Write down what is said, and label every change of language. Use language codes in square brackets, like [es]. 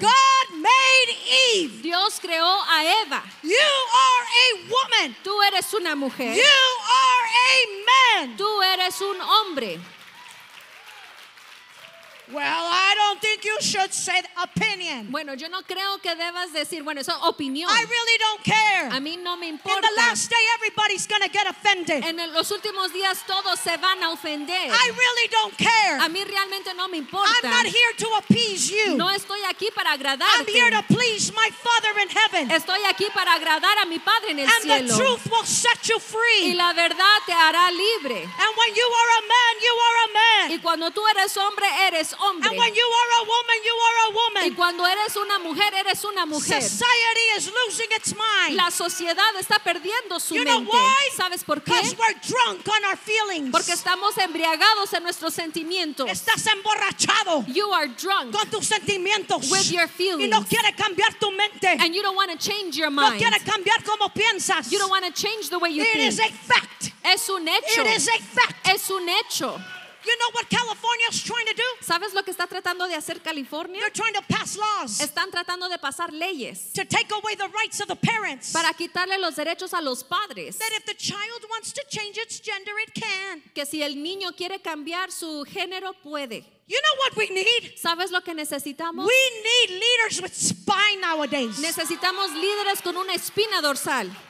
[en] God made Eve. [es] Dios creó a Eva. [en] You are a woman. [es] Tú eres una mujer. [en] You are a man. [es] Tú eres un hombre. [en] Well, I don't think you should say opinion. [es] Bueno, yo no creo que debas decir, bueno, eso es opinión. [en] I really don't care. [es] A mí no me importa. [en] In the last day, everybody's gonna get offended. [es] En los últimos días todos se van a ofender. [en] I really don't care. [es] A mí realmente no me importa. [en] I'm not here to appease you. [es] No estoy aquí para agradarte. [en] I'm here to please my Father in heaven. [es] Estoy aquí para agradar a mi Padre en el cielo. [en] And the truth will set you free. [es] Y la verdad te hará libre. [en] And when you are a man, you are a man. [es] Y cuando tú eres hombre, eres hombre. [en] And when you are a woman, you are a woman. [es] Y cuando eres una mujer, eres una mujer. [en] Society is losing its mind. [es] La sociedad está perdiendo su [en] you [es] mente. [en] Know why? [es] ¿Sabes por qué? [en] Because we're drunk on our feelings. [es] Porque estamos embriagados en nuestros sentimientos. Estás emborrachado. [en] You are drunk. [es] Con tus sentimientos. [en] With your feelings. [es] Y no quieres cambiar tu mente. [en] And you don't want to change your mind. [es] No quieres cambiar cómo piensas. [en] You don't want to change the way you It think. Is a fact. [es] Es un hecho. [en] It is a fact. [es] Es un hecho. [en] You know what California is trying to do? [es] ¿Sabes lo que está tratando de hacer California? [en] They're trying to pass laws. [es] Están tratando de pasar leyes. [en] To take away the rights of the parents. [es] Para quitarle los derechos a los padres. [en] That if the child wants to change its gender, it can. [es] Que si el niño quiere cambiar su género, puede. [en] You know what we need? [es] ¿Sabes lo que necesitamos? [en] We need leaders with spine nowadays. [es] Necesitamos líderes con una espina dorsal.